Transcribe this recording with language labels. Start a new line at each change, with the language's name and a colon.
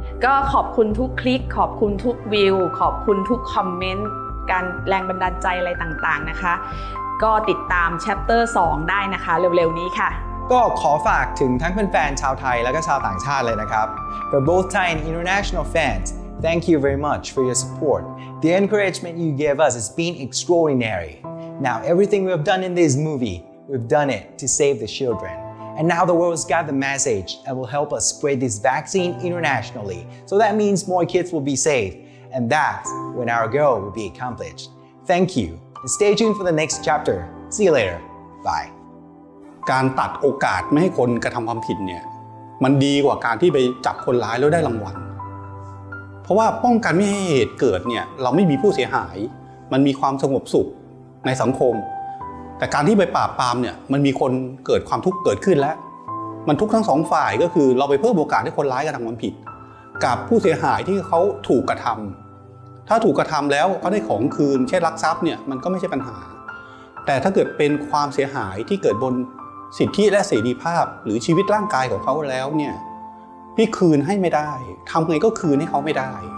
Thai: ก็ขอบคุณทุกคลิกขอบคุณทุกวิวขอบคุณทุกคอมเมนต์การแรงบันดาลใจอะไรต่างๆนะคะก็ติดตาม Chapter 2ได้นะคะเร็วๆนี้ค่ะ ก็ขอฝากถึงทั้งแฟนๆชาวไทยแล้วก็ชาวต่างชาติเลยนะครับ
English: For both Thai and international fans, thank you very much for your support. The encouragement you gave us has been extraordinary. Now everything we've done in this movie, we've done it to save the children. And now the world's got the message and will help us spread this vaccine internationally. So that means more kids will be safe. And that's when our goal will be accomplished. Thank you. And stay tuned for the next chapter. See you later. Bye.
Thai: การตัดโอกาสไม่ให้คนกระทำความผิดเนี่ยมันดีกว่าการที่ไปจับคนร้ายแล้วได้รางวัลเพราะว่าป้องกันไม่ให้เหตุเกิดเนี่ยเราไม่มีผู้เสียหายมันมีความสงบสุขในสังคม แต่การที่ไปปราบปรามเนี่ยมันมีคนเกิดความทุกข์เกิดขึ้นแล้วมันทุกข์ทั้งสองฝ่ายก็คือเราไปเพิ่มโอกาสให้คนร้ายกระทำความผิดกับผู้เสียหายที่เขาถูกกระทำถ้าถูกกระทำแล้วเขาได้ของคืนเช่นลักทรัพย์เนี่ยมันก็ไม่ใช่ปัญหาแต่ถ้าเกิดเป็นความเสียหายที่เกิดบนสิทธิและเสรีภาพหรือชีวิตร่างกายของเขาแล้วเนี่ยพี่คืนให้ไม่ได้ทำไงก็คืนให้เขาไม่ได้